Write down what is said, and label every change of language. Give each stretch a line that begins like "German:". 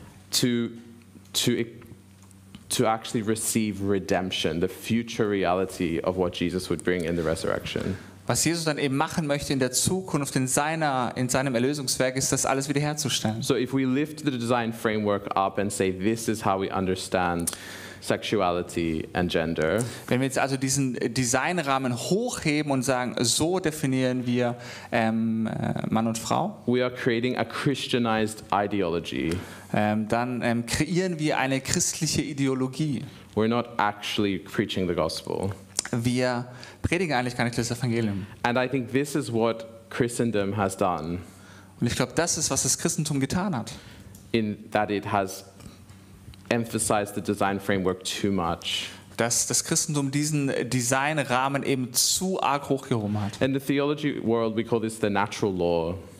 English: To actually receive redemption, the future reality of what Jesus would bring in the resurrection.
German: Was Jesus dann eben machen möchte in der Zukunft, in seinem Erlösungswerk, ist, das alles wiederherzustellen.
English: So if we lift the design framework up and say, this is how we understand sexuality and gender.
German: Wenn wir jetzt also diesen Designrahmen hochheben und sagen, so definieren wir Mann und Frau.
English: We are creating a Christianized ideology.
German: Dann kreieren wir eine christliche Ideologie.
English: We're not actually preaching the gospel.
German: Wir predigen eigentlich gar nicht das Evangelium.
English: And I think this is what Christendom has done.
German: Und ich glaube, das ist, was das Christentum getan hat.
English: In that it has emphasize the design framework too much.
German: Dass das Christentum diesen Designrahmen eben zu arg hochgehoben hat.
English: In the theology world we call this the natural law.